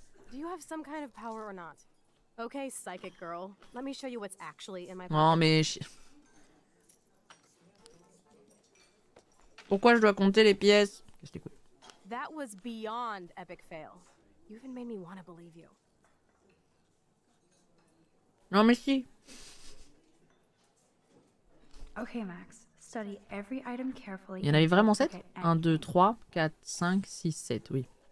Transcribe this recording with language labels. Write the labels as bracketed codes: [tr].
[en] Do you have some kind of power or not? Okay, psychic girl. Let me show you what's actually in my pocket. [fr] Non, mais pourquoi je dois compter les pièces? Qu'est-ce que tu écoutes? [en] That was beyond epic fail. You even made me want to believe you. [fr] Non, mais si. [en] Okay, Max. Study every item carefully. [fr] Il y en avait vraiment 7? 1 2 3 4 5 6 7, oui.